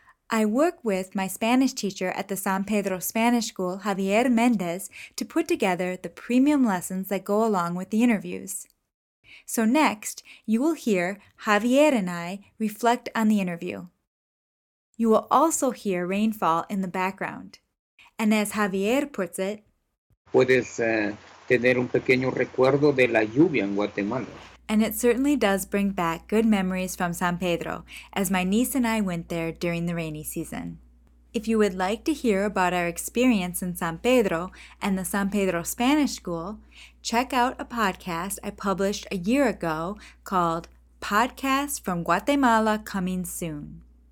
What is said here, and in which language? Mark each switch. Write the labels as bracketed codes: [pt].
[en] I work with my Spanish teacher at the San Pedro Spanish School, Javier Mendez, to put together the premium lessons that go along with the interviews. So next, you will hear Javier and I reflect on the interview. You will also hear rainfall in the background. And as Javier puts it, [es] puedes tener un pequeño recuerdo de la lluvia en Guatemala. [en] And it certainly does bring back good memories from San Pedro, as my niece and I went there during the rainy season. If you would like to hear about our experience in San Pedro and the San Pedro Spanish School, check out a podcast I published a year ago called Podcast from Guatemala Coming Soon.